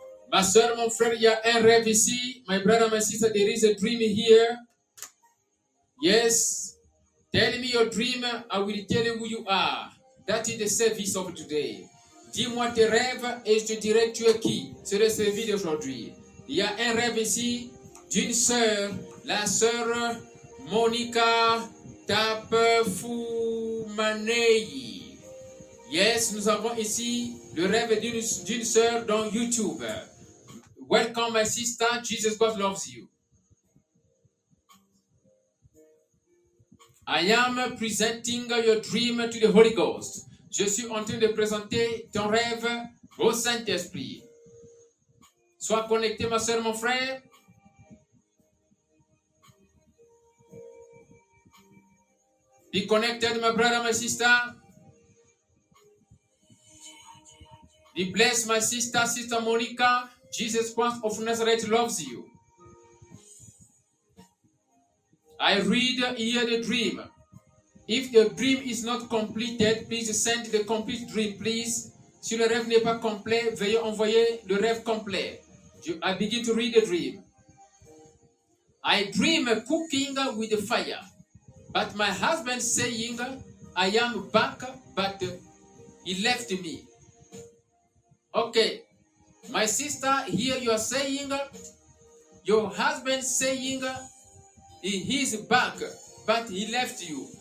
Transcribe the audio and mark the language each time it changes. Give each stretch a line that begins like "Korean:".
French: Ma soeur, mon frère, il y a un rêve ici.
English: My brother, my sister, there is a dream here. Yes. Tell me your dream. I will tell you who you are. That is the service of today.
French: Dis-moi tes rêves et je te dirai tu es qui. C'est le service d'aujourd'hui. Il y a un rêve ici d'une soeur. La soeur Monica Tapfumanei. Yes, nous avons ici le rêve d'une soeur dans YouTube.
English: Welcome, my sister. Jesus God loves you. I am presenting your dream to the Holy Ghost.
French: Je suis en train de présenter ton rêve au Saint-Esprit. Sois connecté, ma soeur, mon frère.
English: Be connected, my brother, my sister. Be blessed, my sister, sister Monica. Jesus Christ of Nazareth loves you. I read here the dream. If the dream is not completed, please send the complete dream, please.
French: Si le rêve n'est pas complet, veuillez envoyer le rêve complet.
English: I begin to read the dream. I dream cooking with the fire, but my husband saying, I am back, but he left me. Okay. My sister, here you are saying, your husband saying, he's back, but he left you.